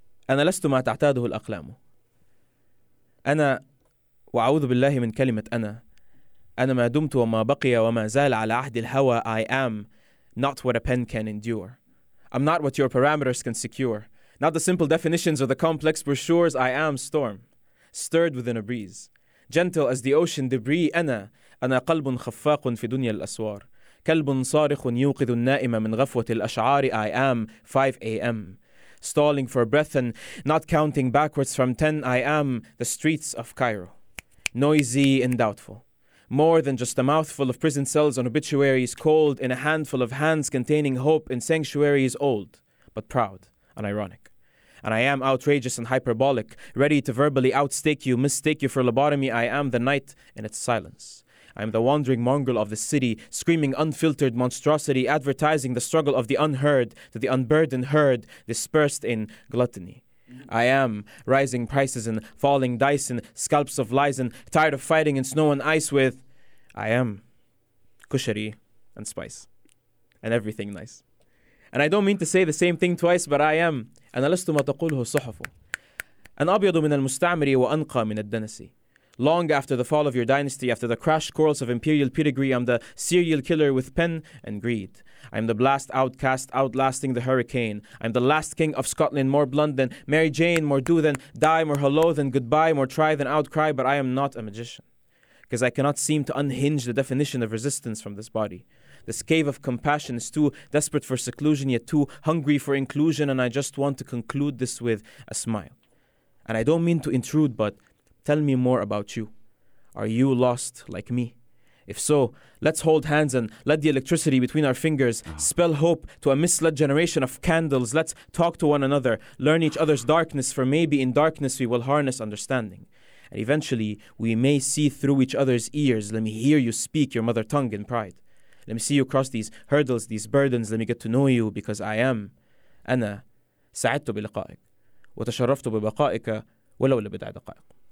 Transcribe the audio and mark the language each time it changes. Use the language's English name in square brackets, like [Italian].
[Arabic] أنا لست ما تعتاده الأقلام. أنا وأعوذ بالله من كلمة أنا. أنا ما دمت وما بقي وما زال على عهد الهوى. [English] I am not what a pen can endure. I'm not what your parameters can secure. Not the simple definitions or the complex brochures. I am storm, stirred within a breeze. Gentle as the ocean debris. [Arabic] أنا قلب خفاق في دنيا الأسوار. كلب صارخ يوقظ النائم من غفوة الأشعار. [English] I am 5 a.m. Stalling for breath and not counting backwards from 10. I am the streets of Cairo. Noisy and doubtful. More than just a mouthful of prison cells on obituaries. Cold in a handful of hands containing hope in sanctuaries. Old, but proud and ironic. And I am outrageous and hyperbolic. Ready to verbally outstake you, mistake you for lobotomy. I am the night in its silence. I am the wandering mongrel of the city, screaming unfiltered monstrosity, advertising the struggle of the unheard to the unburdened herd dispersed in gluttony. I am. Rising prices and falling dice and scalps of lies and tired of fighting in snow and ice with, I am. Kushari and spice. And everything nice. And I don't mean to say the same thing twice, but I am. [Arabic] أنا لست ما تقوله الصحف. أن أبيض من المستعمري وأنقى من الدنسي. [English] Long after the fall of your dynasty, after the crash course of imperial pedigree, I'm the serial killer with pen and greed. I'm the blast outcast outlasting the hurricane. I'm the last king of Scotland, more blunt than Mary Jane, more do than die, more hello than goodbye, more try than outcry, but I am not a magician. Because I cannot seem to unhinge the definition of resistance from this body. This cave of compassion is too desperate for seclusion, yet too hungry for inclusion, and I just want to conclude this with a smile. And I don't mean to intrude, but tell me more about you. Are you lost like me? If so, let's hold hands and let the electricity between our fingers spell hope to a misled generation of candles. Let's talk to one another, learn each other's darkness, for maybe in darkness we will harness understanding. And eventually, we may see through each other's ears. Let me hear you speak your mother tongue in pride. Let me see you cross these hurdles, these burdens. Let me get to know you because I am. [Arabic] أنا سعدت بلقائك وتشرفت ببقائك ولو لبضع دقائق.